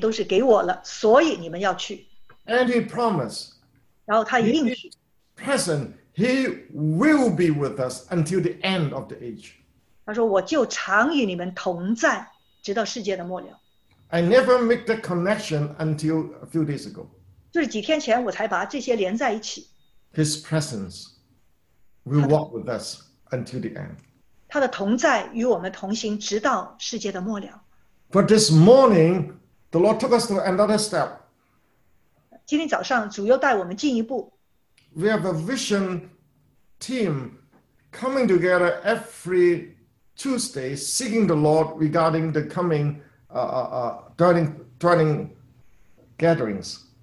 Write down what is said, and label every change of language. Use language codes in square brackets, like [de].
[zh] 因为呢，就刚才那个马太福音28章说，天上地下所有权柄都是给我了，所以你们要去。 [en] And he promised. [zh] 然后他应许。 [en] He is present, he will be with us until the end of the age. [zh] 他说，我就常与你们同在，直到世界的末了。 [en] I never make the connection until a few days ago. [zh] 就是几天前我才把这些连在一起。 [en] His presence will walk with us until the end. [zh] 他的同在与我们同行直到世界的末了。 [en] But this morning, the Lord took us to another step. [zh] 今天早上主又带我们进一步。 [en] We have a vision team coming together every Tuesday, seeking the Lord regarding the coming dwelling gatherings.